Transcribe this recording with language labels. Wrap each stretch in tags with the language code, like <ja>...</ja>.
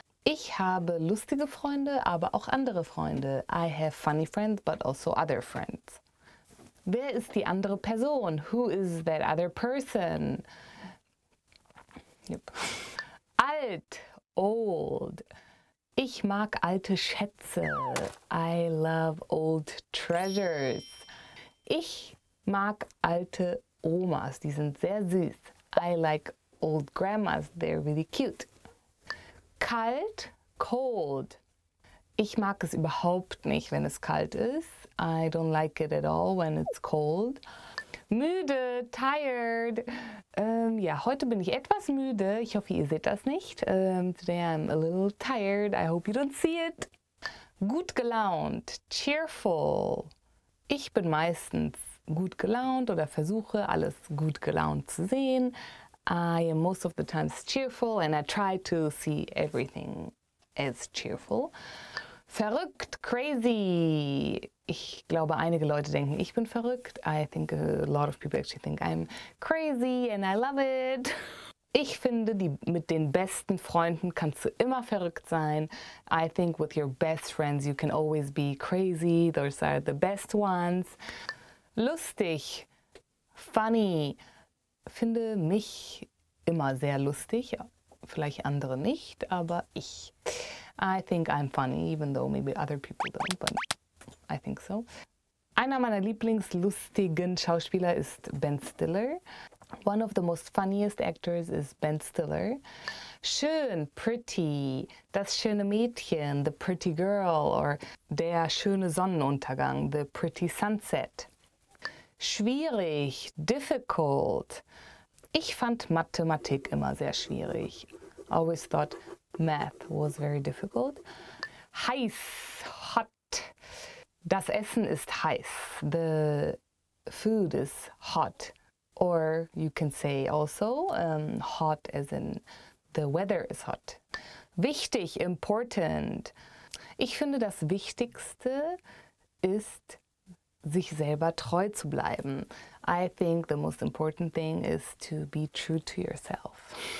<de>Ich habe lustige Freunde, aber auch andere Freunde.</de> <en>I have funny friends, but also other friends.</en> <de>Wer ist die andere Person?</de> <en>Who is that other person? Yep.</en> <de>Alt,</de> <en>old.</en> <de>Ich mag alte Schätze.</de> <en>I love old treasures.</en> <de>Ich mag alte Omas. Die sind sehr süß.</de> <en>I like old grandmas. They're really cute.</en> <de>Kalt,</de> <en>cold.</en> <de>Ich mag es überhaupt nicht, wenn es kalt ist.</de> <en>I don't like it at all when it's cold.</en> <de>Müde,</de> <en>tired.</en> <de>Heute bin ich etwas müde. Ich hoffe, ihr seht das nicht.</de> <en>Today I'm a little tired. I hope you don't see it.</en> <de>Gut gelaunt,</de> <en>cheerful.</en> <de>Ich bin meistens gut gelaunt oder versuche, alles gut gelaunt zu sehen.</de> <en>I am most of the times cheerful and I try to see everything as cheerful.</en> <de>Verrückt,</de> <en>crazy.</en> <de>Ich glaube, einige Leute denken, ich bin verrückt.</de> <en>I think a lot of people actually think I'm crazy and I love it.</en> <de>Ich finde, mit den besten Freunden kannst du immer verrückt sein.</de> <en>I think with your best friends you can always be crazy. Those are the best ones.</en> <de>Lustig,</de> <en>funny.</en> <de>Finde mich immer sehr lustig. Vielleicht andere nicht, aber ich.</de> <en>I think I'm funny, even though maybe other people don't, but I think so.</en> <de>Einer meiner lieblingslustigen Schauspieler ist Ben Stiller.</de> <en>One of the most funniest actors is Ben Stiller.</en> <de>Schön,</de> <en>pretty,</en> <de>das schöne Mädchen,</de> <en>the pretty girl, or</en> <de>der schöne Sonnenuntergang,</de> <en>the pretty sunset.</en> <de>Schwierig,</de> <en>difficult.</en> <de>Ich fand Mathematik immer sehr schwierig.</de> <en>Always thought math was very difficult.</en> <de>Heiß,</de> <en>hot.</en> <de>Das Essen ist heiß.</de> <en>The food is hot. Or you can say also hot as in the weather is hot.</en> <de>Wichtig,</de> <en>important.</en> <de>Ich finde das Wichtigste ist, sich selber treu zu bleiben.</de> <en>I think the most important thing is to be true to yourself.</en>